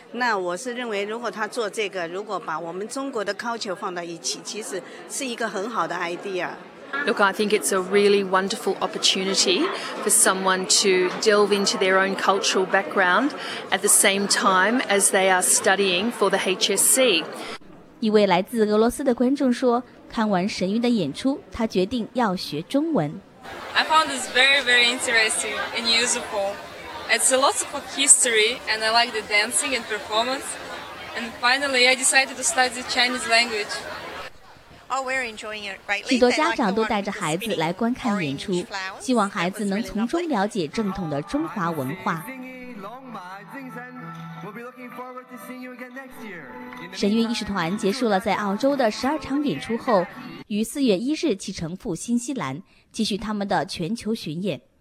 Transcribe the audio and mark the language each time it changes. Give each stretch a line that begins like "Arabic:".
Chinese: 那我是认为如果他做这个，如果把我们中国的 culture 放到一起，其实是一个很好的 idea。
English: Look, I think it's a really wonderful opportunity for someone to delve into their own cultural background at the same time as they are studying for the HSC。
Chinese: 一位来自俄罗斯的观众说，看完神韵的演出，他决定要学中文。
English: I found this very, very interesting and useful. It's a lot of history, and I like the dancing and performance. And finally, I decided to study the Chinese language. Oh, we're enjoying it greatly.
Chinese: 许多家长都带着孩子来观看演出，希望孩子能从中了解正统的中华文化。神韵艺术团结束了在澳洲的12场演出后，于4月1日启程赴新西兰，继续他们的全球巡演。